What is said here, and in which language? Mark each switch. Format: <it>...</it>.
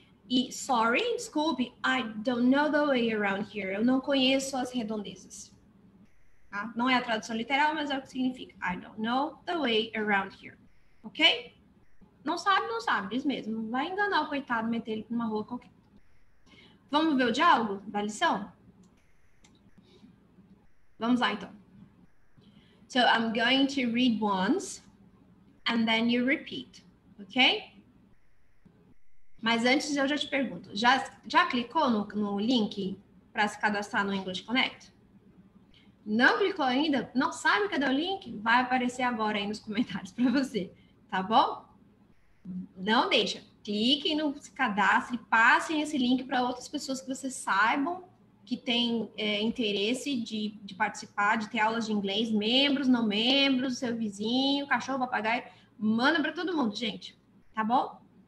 <en>E sorry,</en> <pt>desculpe,</pt> <en>I don't know the way around here.</en> <pt>Eu não conheço as redondezas. Tá? Não é a tradução literal, mas é o que significa.</pt> <en>I don't know the way around here. Ok?</en> <pt>Não sabe, não sabe. Diz mesmo. Vai enganar o coitado, meter ele numa rua qualquer. Vamos ver o diálogo da lição? Vamos lá, então.</pt> <en>So, I'm going to read once and then you repeat. Ok?</en> <pt>Mas antes eu já te pergunto, já clicou no link para se cadastrar no English Connect? Não clicou ainda? Não sabe cadê o link? Vai aparecer agora aí nos comentários para você, tá bom? Não deixa, clique no se cadastre, passem esse link para outras pessoas que você saibam que tem interesse de participar, de ter aulas de inglês, membros, não membros, seu vizinho, cachorro, papagaio, manda para todo mundo, gente, tá bom?</pt>